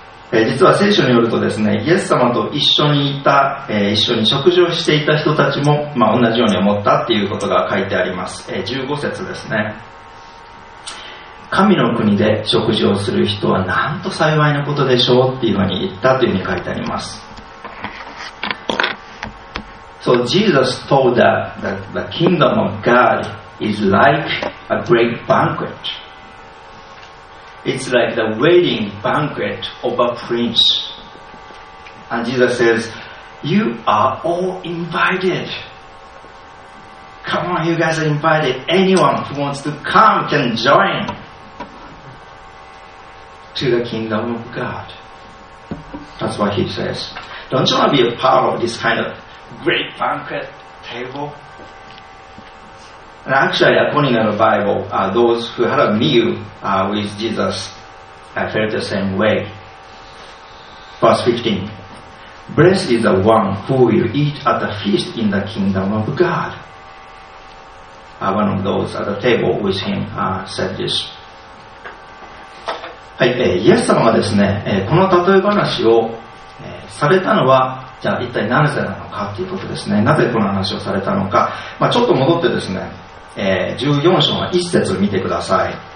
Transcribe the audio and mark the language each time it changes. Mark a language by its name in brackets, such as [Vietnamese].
[Japanese] 実は聖書によるとですね、イエス様と一緒にいた、一緒に食事をしていた人たちも、まあ、同じように思ったっていうことが書いてあります。 15節ですね。神の国で食事をする人はなんと幸いなことでしょうっていうふうに言ったというふうに書いてあります。 [English] So Jesus told that the kingdom of God is like a great banquetIt's like the wedding banquet of a prince. And Jesus says, you are all invited. Come on, you guys are invited. Anyone who wants to come can join to the kingdom of God. That's what he says. Don't you want to be a part of this kind of great banquet table? Actually, according to the Bible, those who had a meal with Jesus felt the same way. Verse 15. Blessed is the one who will eat at the feast in the kingdom of God. One of those at the table with him said this. [Japanese] はい、イエス様がですね、この例え話を、されたのは、じゃあ一体なぜなのかということですね。なぜこの話をされたのか。まあ、ちょっと戻ってですね、14章の1節見てください。